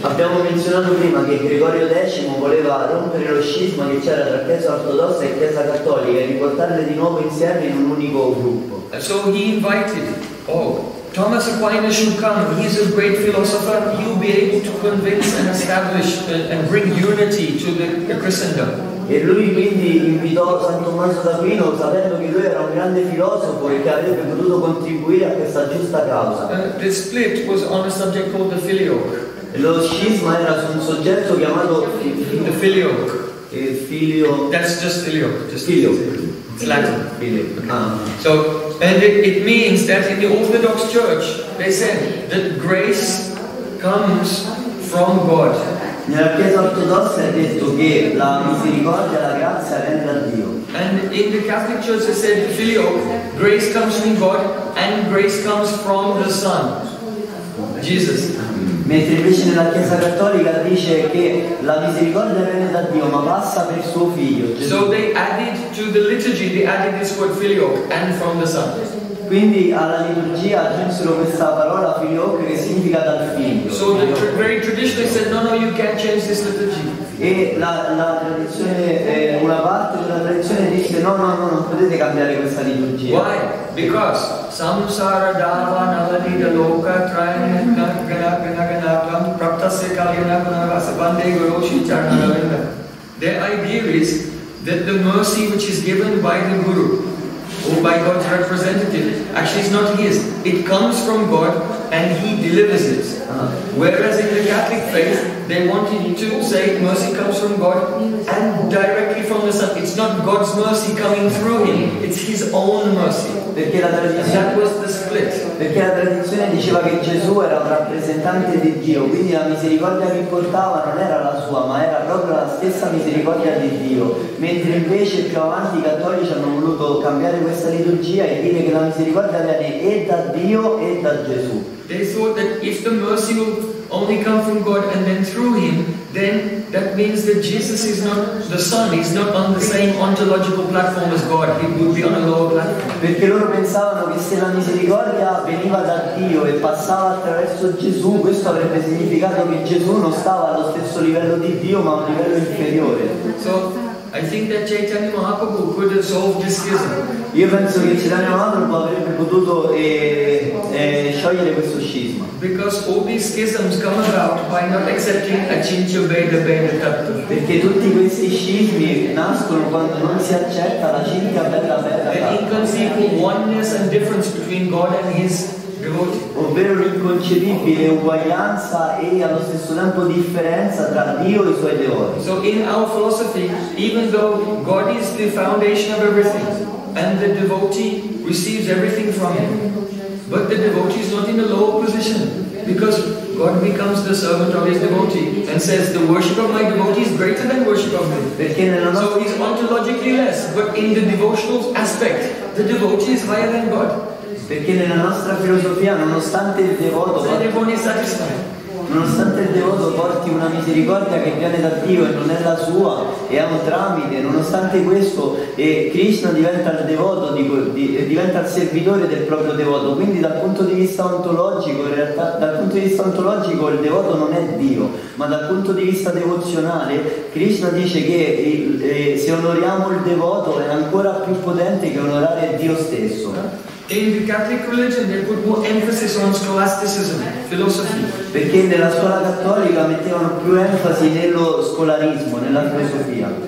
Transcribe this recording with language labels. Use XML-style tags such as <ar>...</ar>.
<it>Abbiamo menzionato prima che Gregorio X voleva rompere lo scisma che c'era tra Chiesa Ortodossa e Chiesa Cattolica e riportarle di nuovo insieme in un unico gruppo.</it> <en>So he invited, Thomas Aquinas should come, he is a great philosopher, he'll be able to convince and establish and bring unity to the Christendom.</en> <it>E lui quindi invitò San Tommaso d'Aquino sapendo che lui era un grande filosofo e che avrebbe potuto contribuire a questa giusta causa.</it> <en>The split was on a subject called the filioque.</en> <it>E lo scisma era su un soggetto chiamato</it> <en>the filioque.</en> <it>Il filio.</it> <en>That's just filioque. Just filioque. It's Latin.</en> <it>Filio.</it> <en>So, and it means that in the Orthodox Church, they said that grace comes from God.</en> <it>Nella Chiesa Ortodossa è detto che la misericordia, la grazia viene da Dio.</it> <en>And in the Catholic Church, they said, filio, grace comes from God and grace comes from the Son, Jesus.</en> <it>Mentre invece nella Chiesa Cattolica dice che la misericordia viene da Dio, ma passa per suo figlio.</it> <en>So they added to the liturgy, they added this word filioque and from the Son.</en> <it>Quindi alla liturgia aggiunsero questa parola filioque che significa dal figlio.</it> <en>So the very tradition said, no, you can't change this liturgy.</en> <it>E la tradizione, una parte della tradizione dice no, non potete cambiare questa liturgia.</it> <en>Why? Because</en> <sa>samsara dava nalanida loka trayanakanakanakanakam praptasya kalyanakanakasabande guroshi charnalavinda.</sa> <en>Their idea is that the mercy which is given by the guru or by God's representative actually is not his. It comes from God and he delivers it. Whereas in the Catholic faith, they wanted to say mercy comes from God and directly from the Son. It's not God's mercy coming through him, it's his own mercy.</en> <it>Perché la tradizione,</it> <en>that was the split.</en> <it>Perché la tradizione diceva che Gesù era un rappresentante di Dio, quindi la misericordia che portava non era la sua, ma era proprio la stessa misericordia di Dio. Mentre invece più avanti i cattolici hanno voluto cambiare questa liturgia e dire che la misericordia viene e da Dio e da Gesù.</it> <en>They thought that if the mercy will only come from God and then through Him, then that means that Jesus is not the Son, He's not on the same ontological platform as God, He would be on a lower platform.</en> <it>Perché loro pensavano che se la misericordia veniva da Dio e passava attraverso Gesù, questo avrebbe significato che Gesù non stava allo stesso livello di Dio, ma a un livello inferiore.</it> <en>So, I think that Chaitanya Mahaprabhu could have solved this schism.</en> <it>Io penso che Chaitanya Mahaprabhu avrebbe potuto sciogliere questo schisma.</it> <en>Because all these schisms come about by not accepting Achintya Bheda Bheda Tattva.</en> <it>Perché tutti questi schismi nascono quando non si accetta la Achintya Bheda Bheda Tattva.</it> <en>The inconceivable oneness and difference between God and His devotee.</en> <it>Ovvero l'inconcepibile uguaglianza e allo stesso tempo differenza tra Dio e i suoi devoti.</it> <en>So in our philosophy, even though God is the foundation of everything and the devotee receives everything from Him, but the devotee is not in a lower position because God becomes the servant of His devotee and says the worship of my devotee is greater than worship of me. So He's ontologically less, but in the devotional aspect, the devotee is higher than God.</en> <it>Perché nella nostra filosofia, nonostante il devoto porti una misericordia che viene da Dio e non è la sua, e ha un tramite, nonostante questo, e Krishna diventa il devoto, diventa il servitore del proprio devoto. Quindi dal punto di vista ontologico, in realtà, dal punto di vista ontologico il devoto non è Dio, ma dal punto di vista devozionale, Krishna dice che se onoriamo il devoto è ancora più potente che onorare Dio stesso.</it> <en>In the Catholic religion, they put more emphasis on scholasticism, philosophy.</en> <it>Perché nella scuola cattolica mettevano più enfasi nello scolarismo, nella filosofia.</it>